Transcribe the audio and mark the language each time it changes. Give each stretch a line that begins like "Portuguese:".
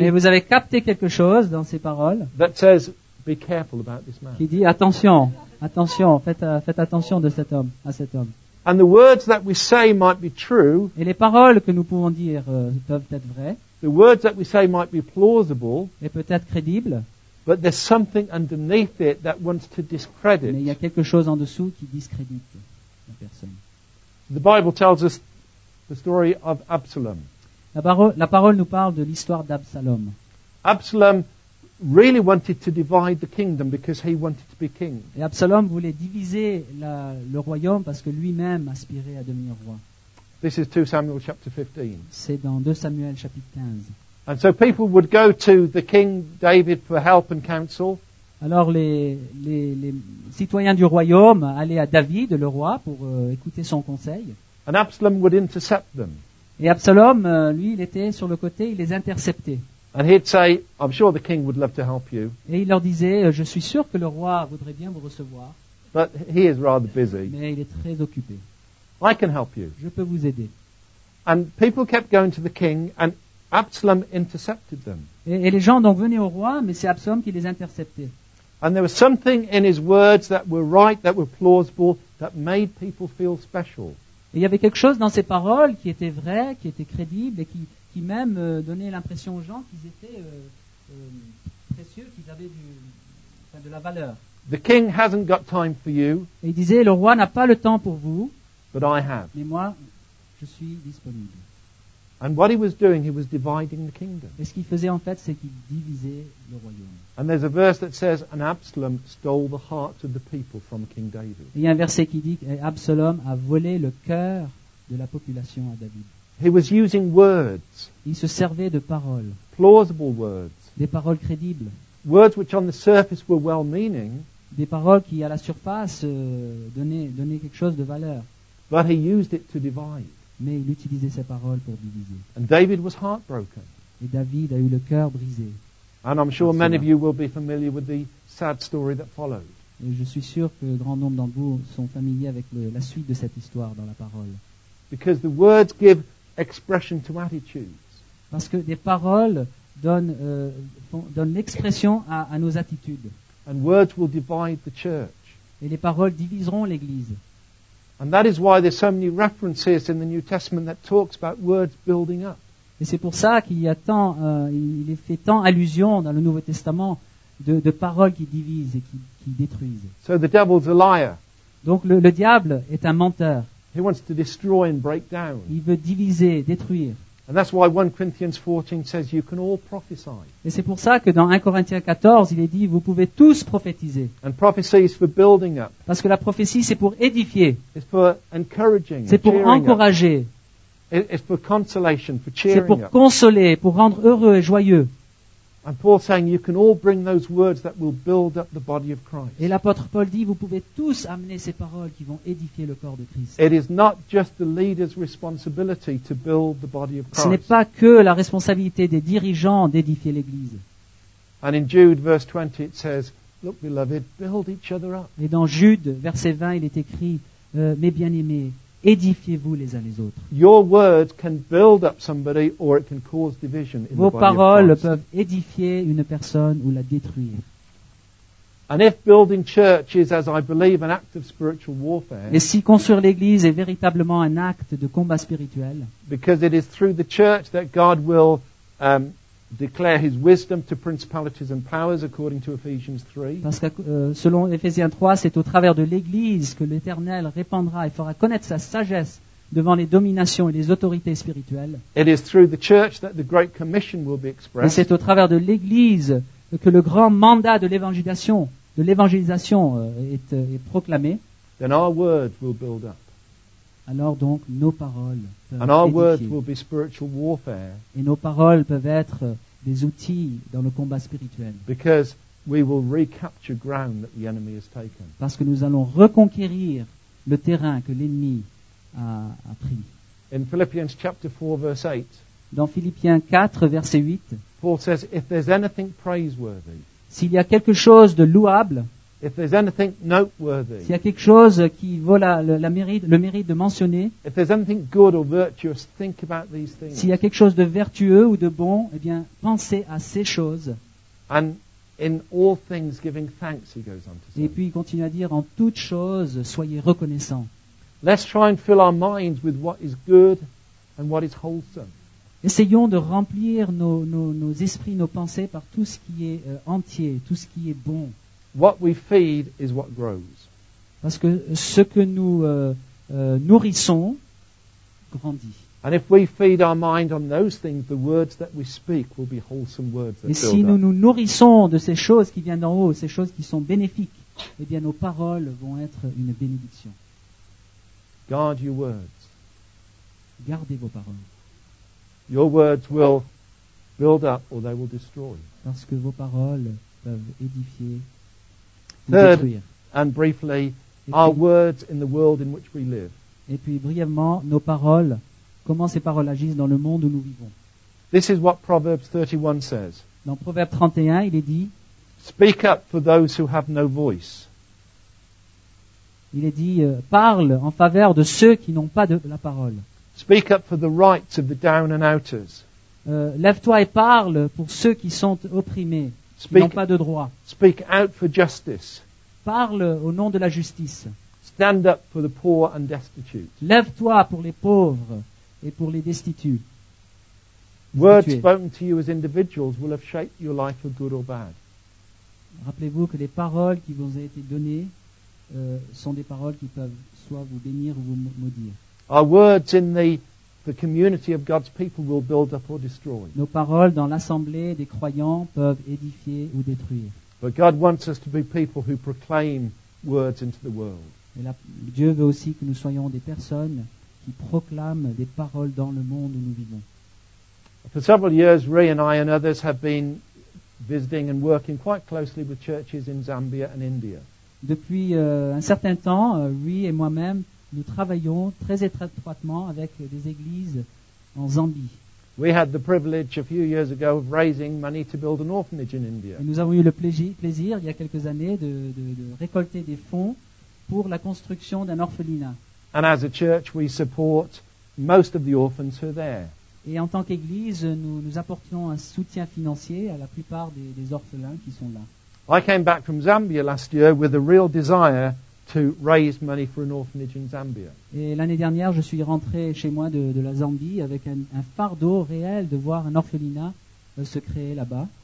French: Mais vous avez capté quelque chose dans ces paroles.
English: That says, be careful about this man.
French: Qui dit attention, attention, faites attention de cet homme, à cet homme.
English: And the words that we say might be true.
French: Et les paroles que nous pouvons dire peuvent être vraies.
English: The words that we say might be plausible.
French: Et peut-être crédibles.
English: But there's something underneath it that wants to discredit.
French: Mais il y a quelque chose en dessous qui discrédite la personne.
English: The Bible tells us the story of Absalom.
French: La parole nous parle de l'histoire d'Absalom.
English: Absalom really wanted to divide the kingdom because he wanted to be king.
French: Et Absalom voulait diviser le royaume parce que lui-même aspirait à devenir roi.
English: This is 2 Samuel chapter 15.
French: C'est dans 2 Samuel chapitre 15.
English: And so people would go to the king David for help and counsel.
French: Alors les citoyens du royaume allaient à David, le roi, pour écouter son conseil.
English: And Absalom would intercept them.
French: Et Absalom, lui, il était sur le côté, il les interceptait.
English: And he'd say, I'm sure the king would love to help you.
French: Et il leur disait, je suis sûr que le roi voudrait bien vous recevoir.
English: But he is rather busy.
French: Mais il est très occupé.
English: I can help you.
French: Je peux vous aider.
English: And people kept going to the king and Absalom intercepted them.
French: Et les gens donc venaient au roi, mais c'est Absalom qui les interceptait.
English: And there was something in his words that were right, that were plausible, that made people feel special.
French: Et il y avait quelque chose dans ses paroles qui était vrai, qui était crédible, et qui même donnait l'impression aux gens qu'ils étaient précieux, qu'ils avaient de la valeur.
English: The king hasn't got time for you.
French: Et il disait, le roi n'a pas le temps pour vous.
English: But I have.
French: Mais moi, je suis disponible.
English: And what he was doing, he was dividing the kingdom.
French: Et ce qu'il faisait en fait, c'est qu'il divisait le royaume.
English: And there's a verse that says, "And Absalom stole the hearts of the people from King David."
French: Il y a un verset qui dit que Absalom a volé le cœur de la population à David.
English: He was using words.
French: Il se servait de paroles.
English: Plausible words.
French: Des paroles crédibles.
English: Words which, on the surface, were well-meaning.
French: Des paroles qui, à la surface, donnaient quelque chose de valeur.
English: But he used it to divide.
French: Mais il utilisait ses paroles pour diviser.
English: And David was heartbroken.
French: Et David a eu le cœur brisé.
English: And I'm sure many of you will be familiar with the sad story that followed.
French: Et je suis sûr que grand nombre d'entre vous sont familiers avec la suite de cette histoire dans la parole.
English: Because the words give expression to attitudes.
French: Parce que des paroles donnent l'expression à nos attitudes.
English: And words will divide the church.
French: Et les paroles diviseront l'église.
English: And that is why there's so many references in the New Testament that talks about words building up.
French: Et c'est pour ça qu'il y a tant, il est fait tant allusion dans le Nouveau Testament de paroles qui divisent et qui détruisent.
English: So the devil's a liar.
French: Donc le diable est un menteur.
English: He wants to destroy and break down.
French: Il veut diviser, détruire.
English: And that's why 1 Corinthians 14 says you can all prophesy.
French: Et c'est pour ça que dans 1 Corinthiens 14, il est dit vous pouvez tous prophétiser.
English: And prophecy is for building up.
French: Parce que la prophétie c'est pour édifier.
English: It's for encouraging.
French: C'est pour encourager.
English: It's for consolation, for cheering.
French: C'est pour consoler, pour rendre heureux et joyeux.
English: And Paul saying you can all bring those words that will build up the body of Christ.
French: Et l'apôtre Paul dit vous pouvez tous amener ces paroles qui vont édifier le corps de Christ.
English: It is not just the leader's responsibility to build the body of Christ.
French: Ce n'est pas que la responsabilité des dirigeants d'édifier l'église.
English: And in Jude verse 20 it says, look beloved, build each other up.
French: Et dans Jude verset 20 il est écrit mes bien-aimés, édifiez-vous les uns les autres.
English: Your words can build up somebody or it can cause division in the body.
French: Vos paroles peuvent édifier une personne ou la détruire.
English: And if building church is, as I believe, an act of spiritual warfare.
French: Et si construire l'église est véritablement un acte de combat spirituel.
English: Because it is through the church that God will declare his wisdom to principalities and powers according to Ephesians 3.
French: Parce que selon Ephésiens 3, c'est au travers de l'église que l'Éternel répandra et fera connaître sa sagesse devant les dominations et les autorités spirituelles.
English: It is through the church that the great commission will be expressed.
French: Et c'est au travers de l'église que le grand mandat de l'évangélisation est proclamé.
English: Then our words will build up.
French: Alors donc, nos paroles peuvent
English: And our words will be spiritual warfare.
French: Et nos paroles peuvent être des outils dans le combat spirituel.
English: Because we will recapture ground that the enemy has taken.
French: Parce que nous allons reconquérir le terrain que l'ennemi a pris.
English: In Philippians chapter 4 verse 8.
French: Dans Philippiens 4 verset 8.
English: Paul says, if there's anything praiseworthy.
French: S'il y a quelque chose de louable.
English: If there's anything noteworthy.
French: S'il y a quelque chose qui vaut le mérite de mentionner.
English: If there's anything good or virtuous, think about these things.
French: S'il y a quelque chose de vertueux ou de bon, eh bien, pensez à ces choses.
English: And in all things giving thanks, he goes on to say.
French: Et puis il continue à dire, en toutes choses, soyez reconnaissants.
English: Let's try and fill our minds with what is good and what is wholesome.
French: Essayons de remplir nos esprits, nos pensées par tout ce qui est entier, tout ce qui est bon.
English: What we feed is what grows.
French: Parce que ce que nous nourrissons grandit.
English: And if we feed our mind on those things, the words that we speak will be wholesome words.
French: Et si nous nous nourrissons de ces choses qui viennent d'en haut, ces choses qui sont bénéfiques, eh bien nos paroles vont être une bénédiction.
English: Guard your words.
French: Gardez vos paroles.
English: Your words will build up or they will destroy.
French: Parce que vos paroles peuvent édifier ou
English: Third,
French: détruire.
English: And briefly, puis, our words in the world in which we live.
French: Et puis brièvement, nos paroles, comment ces paroles agissent dans le monde où nous vivons.
English: This is what Proverbs 31 says.
French: Dans Proverbes 31, il est dit,
English: speak up for those who have no voice.
French: Il est dit, parle en faveur de ceux qui n'ont pas de la parole.
English: Speak up for the rights of the down and outers.
French: Lève-toi et parle pour ceux qui sont opprimés, qui n'ont pas de droit.
English: Speak out for justice.
French: Parle au nom de la justice.
English: Stand up for the poor and destitute.
French: Lève-toi pour les pauvres et pour les destitués.
English: Words spoken to you as individuals will have shaped your life for good or bad.
French: Rappelez-vous que les paroles qui vous ont été données sont des paroles qui peuvent soit vous bénir ou vous maudire.
English: Our words in the community of God's people will build up or destroy.
French: Nos paroles dans l'assemblée des croyants peuvent édifier ou détruire.
English: But God wants us to be people who proclaim words into the world.
French: Et là, Dieu veut aussi que nous soyons des personnes qui proclament des paroles dans le monde où nous vivons.
English: For several years, Ray and I and others have been visiting and working quite closely with churches in Zambia and India.
French: Depuis un certain temps, Ray et moi-même nous travaillons très étroitement avec des églises en Zambie.
English: We had the privilege a few years ago of raising money to build an orphanage in India.
French: Et nous avons eu le plaisir il y a quelques années de récolter des fonds pour la construction d'un orphelinat.
English: And as a church, we support most of the orphans who are there.
French: Et en tant qu'église, nous apportons un soutien financier à la plupart des orphelins qui sont là.
English: I came back from Zambia last year with a real desire to raise money for an orphanage in Zambia.
French: Et l'année dernière, je suis rentré chez moi de la Zambie avec un fardeau réel de voir un orphelinat se créer là-bas.